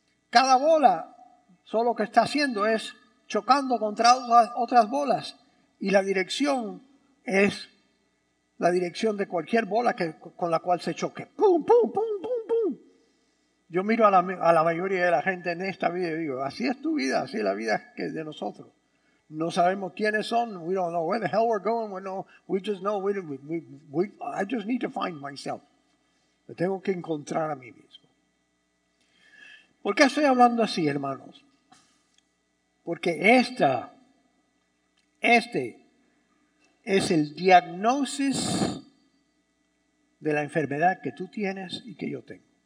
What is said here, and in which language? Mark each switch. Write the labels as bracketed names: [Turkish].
[Spanish] Cada bola, solo que está haciendo es chocando contra otras bolas, y la dirección es... la dirección de cualquier bola con la cual se choque. ¡Pum, pum, pum, pum, pum! Yo miro a la mayoría de la gente en esta vida y digo, así es tu vida, así es la vida que es de nosotros. No sabemos quiénes son. [English] We don't know where the hell we're going. I just need to find myself. [Spanish] Me tengo que encontrar a mí mismo. ¿Por qué estoy hablando así, hermanos? Porque este es el diagnosis de la enfermedad que tú tienes y que yo tengo.